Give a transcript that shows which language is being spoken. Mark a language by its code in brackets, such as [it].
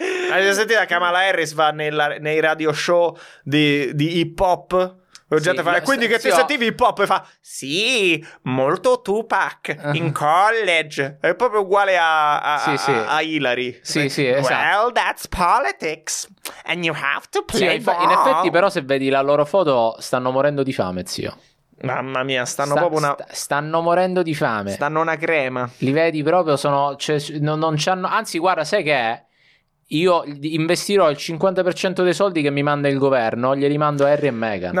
[it] Avete sentito Kamala Harris va nei radio show di hip hop? Sì, fare quindi che ti sentivi hip hop? E fa, sì, molto Tupac, in college. È proprio uguale a Hillary. Sì, sì, esatto. [en] Well, that's politics, and you have to play ball. [it] In effetti però se vedi la loro foto stanno morendo di fame, zio. Mamma mia, stanno morendo di fame. Stanno una crema. Li vedi proprio, non c'hanno... Anzi, guarda, sai che è? Io investirò il 50% dei soldi che mi manda il governo, glieli mando a Harry e Meghan.